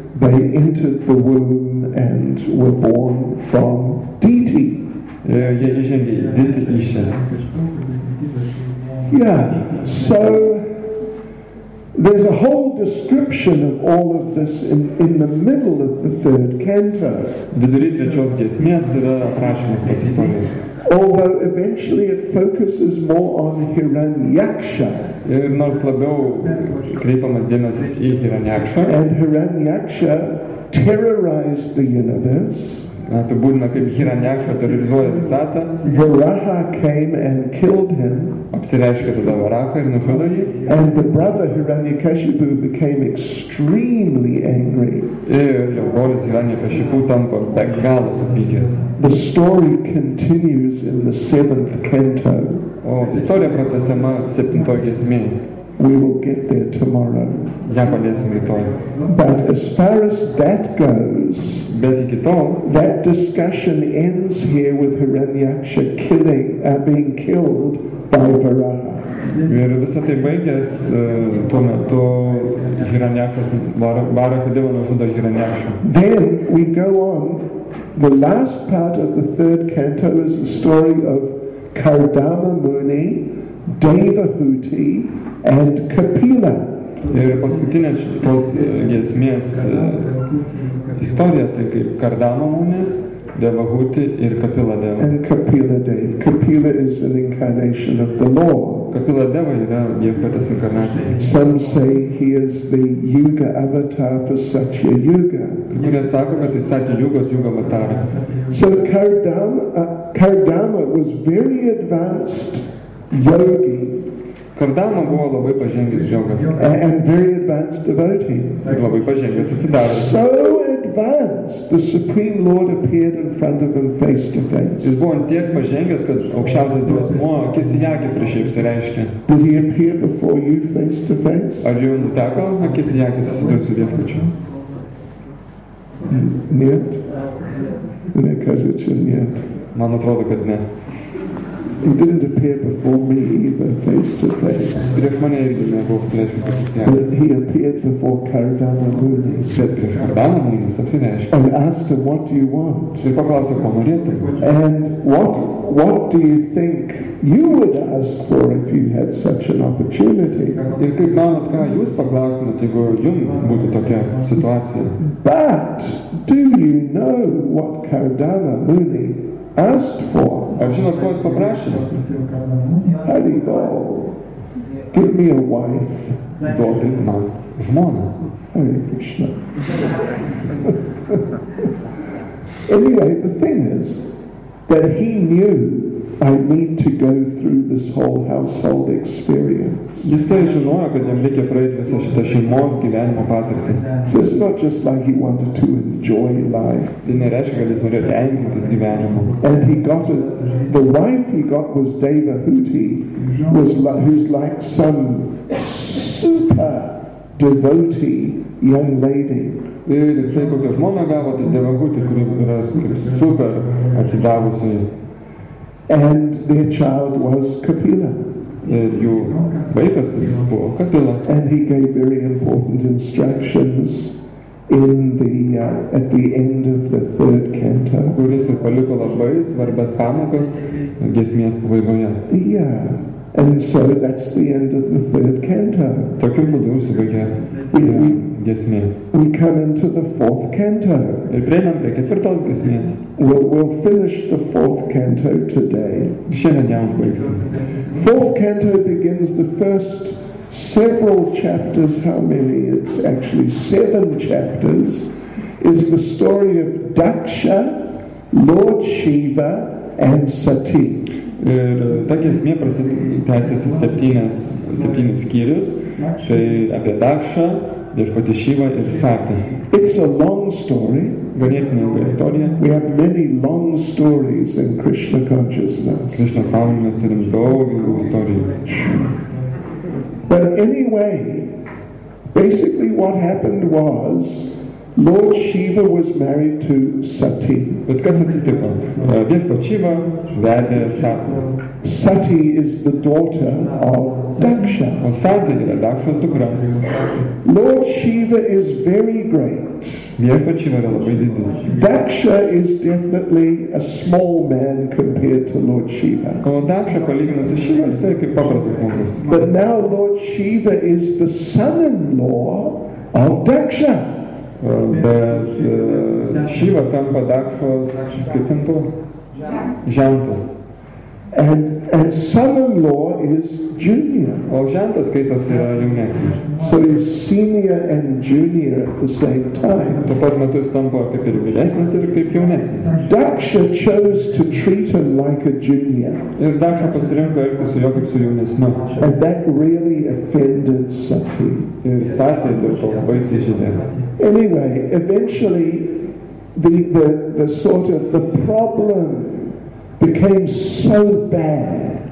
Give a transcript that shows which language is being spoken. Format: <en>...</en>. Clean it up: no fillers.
<en>they entered the womb and were born from Diti.</en> <lt>Jie įžengė į Diti įsčias.</lt> <en>Yeah, so there's a whole description of all of this in the middle of the third canto.</en> <lt>Vidury trečios giesmės yra aprašymas tos istorijos.</lt> <en>Although eventually it focuses more on Hiranyaksha.</en> <lt>Ir nors labiau kreipiamas dėmesys į Hiranyaksha.</lt> <en>And Hiranyaksha terrorized the universe.</en> <lt>Apibūdina, kaip Hiranyaksha terrorizuoja visatą.</lt> <en>Varaha came and killed him.</en> <lt>Apsireiškė tada Varaha ir nužudo jį.</lt> <en>And the brother Hiranyakashipu became extremely angry.</en> <lt>Ir jo brolis Hiranyakashipu tampa be galo supykęs.</lt> <en>The story continues in the seventh canto.</en> <lt>O istorija pratesama 7 giesmėje.</lt> <en>We will get there tomorrow.</en> <lt>Ja paliesim rytoj.</lt> <en>But as far as that goes,</en> <lt>bet iki to,</lt> <en>that discussion ends here with Hiranyaksha killing, being killed by Varaha.</en> <lt>Ir visa tai baigės tuo metu Hiranyakšas Varaha Deva nužudo Hiranyakšą.</lt> <en>Then we go on. The last part of the third canto is the story of Kardama Muni, Devahuti and Kapila.</en> <lt>Ir paskutinė šitos giesmės istorija, tai kaip Kardama Munis, Devahuti ir Kapila Deva.</lt> <en>And Kapila Deva. Kapila is an incarnation of the Lord.</en> <lt>Kapila Deva yra Viešpaties inkarnacija.</lt> <en>Some say he is the Yuga avatar for Satya Yuga.</en> <lt>Kurie sako, kad jis Satya Yugos Yuga avataras.</lt> <en>So Kardama was very advanced yogi.</en> <lt>Kardama buvo labai pažengęs jogas.</lt> <en>And very advanced devotee.</en> <lt>Ir labai pažengęs atsidaręs.</lt> <en>So advanced, the Supreme Lord appeared in front of him face to face.</en> <lt>Jis buvo tiek pažengęs, kad aukščiausias Dievas buvo akis į akį prieš jį apsireiškė.</lt> <en>Did he appear before you face to face?</en> <lt>Ar jau teko akis į akį susidurti su Viešpačiu? Niet? Ne, kad jis yra niet. Man atrodo, kad ne.</lt> <en>He didn't appear before me either, face to face. But he appeared before Kardama Muni. And asked him, what do you want? And what do you think you would ask for if you had such an opportunity? But do you know what Kardama Muni asked for?</en> <lt>Ar žinot, ko jis paprašė?</lt> <en>Haribol, give me a wife.</en> <lt>Duoti man žmoną.</lt> <en>Hare Krishna. Anyway, the thing is that he knew I need to go through this whole household experience.</en> <lt>Jis tai žinojo, kad jam reikia praeiti visą šitą šeimos gyvenimo patirtį.</lt> <en>So it's not just like he wanted to enjoy life.</en> <lt>Tai nereiškia, kad jis norėjo tenkintis gyvenimu.</lt> <en>And he got it. The wife he got was Devahuti, who's like some super devotee young lady.</en> <lt>Ir jisai kokią žmoną gavo, tai Devahuti, kuri yra super atsidavusi.</lt> <en>And their child was Kapila.</en> <lt>Ir jų vaikas buvo Kapila.</lt> <en>And he gave very important instructions in the at the end of the third canto.</en> <lt>Kuris ir paliko labai svarbias pamokas giesmės pabaigoje.</lt> <en>Yeah. And so that's the end of the third canto.</en> <lt>Tokiu būdu užsibaigė giesmė.</lt> <en>We come into the fourth canto.</en> <lt>Ir prieinam prie ketvirtos giesmės.</lt> <en>We'll finish the fourth canto today.</en> <lt>Šiandien ją užbaigsim.</lt> <en>Fourth canto begins the first several chapters, how many? It's actually 7 chapters, is the story of Daksha, Lord Shiva and Sati.</en> <lt>Ir ta giesmė prasitęsiasi 7 skyrius, tai apie Daksha, Viešpatį Šyvą ir Satį.</lt> <en>It's a long story.</en> <lt>Ganėtinė ilga istorija.</lt> <en>We have many long stories in Krishna consciousness.</en> <lt>Krishna sąmonėje mes turim daug ilgų istorijų.</lt> <en>But anyway, basically what happened was Lord Shiva was married to Sati.</en> <lt>Bet kas atsitiko? Viešpatį Šyvą vedė Satį.</lt> <en>Sati is the daughter of Daksha.</en> <lt>O Sati yra Dakshos dukra.</lt> <en>Lord Shiva is very great.</en> <lt>Viešpatį Šyvą yra labai didis.</lt> <en>Daksha is definitely a small man compared to Lord Shiva.</en> <lt>O Daksha palyginus su Šyva, jis yra kaip paprastas žmogus.</lt> <en>But now Lord Shiva is the son-in-law of Daksha.</en> <lt>Bet Shiva tampa Dakshos kitintu žentu.</lt> <en>And son-in-law is junior.</en> <lt>O žentas skaitas yra jaunesnis.</lt> <en>So he's senior and junior at the same time.</en> <lt>Tuo pat metu jis tampa kaip ir vyresnis ir kaip jaunesnis.</lt> <en>Daksha chose to treat him like a junior.</en> <lt>Ir Daksha pasirinko elgtis su juo kaip su jaunesniu.</lt> <en>And that really offended Sati.</en> <lt>Ir Sati dėl to labai įsižeidė.</lt> <en>Anyway, eventually the sort of the problem became so bad.</en>